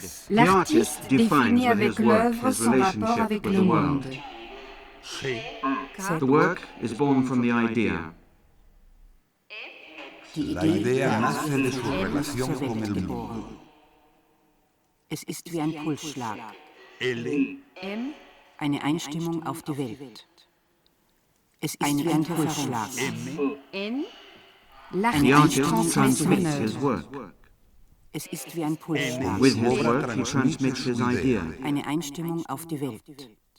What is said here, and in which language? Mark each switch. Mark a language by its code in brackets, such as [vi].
[fr] L'artiste définit avec l'œuvre son rapport avec le monde. [en] The work is born from the idea. [es] La idea nace de su relación con el mundo. [de] Es ist wie ein Pulsschlag. L. M. Eine Einstimmung auf die Welt. Es ist wie ein Pulsschlag. M. N. [en] The artist transmits his work. [de] Es ist wie ein Pulsschlag. [en] With his work he transmits his idea. [de] Eine Einstimmung auf die Welt.